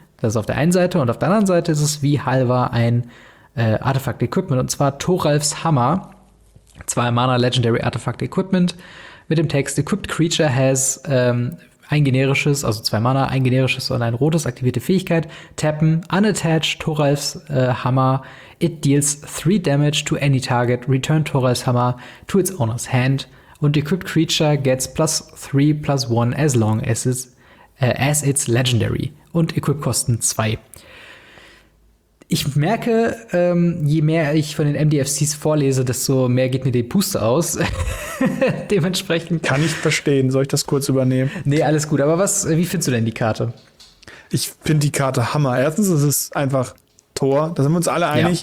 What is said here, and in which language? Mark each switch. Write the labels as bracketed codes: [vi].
[de] Das ist auf der einen Seite, und auf der anderen Seite ist es wie Halvar ein Artifact Equipment, und zwar Thoralfs Hammer. 2-Mana Legendary Artifact Equipment mit dem Text: [en] Equipped Creature has [de] ein generisches, also 2 Mana, ein generisches und ein rotes, aktivierte Fähigkeit. Tappen, [en] unattached [de] Thoralfs Hammer. [en] It deals 3 damage to any target. Return Thoralfs Hammer to its owner's hand. Und Equipped Creature gets +3/+1 as long as it's legendary. [de] Und Equip Kosten 2. Ich merke, je mehr ich von den MDFCs vorlese, desto mehr geht mir die Puste aus. Dementsprechend. Kann ich verstehen. Soll ich das kurz übernehmen? Nee, alles gut. Aber was? Wie findest du denn die Karte? Ich finde die Karte Hammer. Erstens ist es einfach Tor. Da sind wir uns alle einig.